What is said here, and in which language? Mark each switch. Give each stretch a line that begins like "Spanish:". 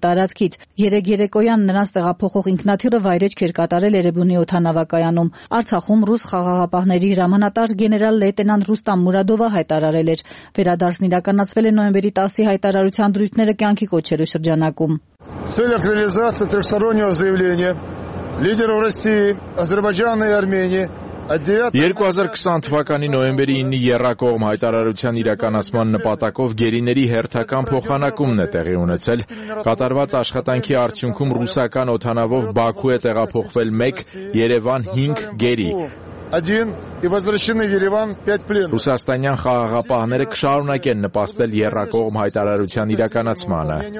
Armenian: տարածքից։ Երեկոյան նրանց տեղափոխող ինքնաթիռը վայրէջք էր կատարել Էրեբունի օդանավակայանում։ Արցախում ռուս խաղաղապահների հրամանատար գեներալ լեյտենանտ Ռուստամ Մուրադովը հայտարարել էր. Վերադարձն իրականացվել է նոյեմբերի 10-ի հայտարարության դրույթները կյանքի կոչելու շրջանակում։
Russian: Целях реализации трехстороннего заявления лидеров России, Азербайджана и Армении
Armenian: 2020 թվականի նոյեմբերի 9-ի Եռակողմ հայտարարության իրականացման նպատակով գերիների հերթական փոխանակումն է տեղի ունեցել։ Կատարված աշխատանքի արդյունքում ռուսական օթանավով Բաքու է տեղափոխվել 1, Երևան 5 գերի։ Ռուսաստանյան խաղաղապահները կշարունակեն նպաստել Եռակողմ հայտարարության իրականացմանը։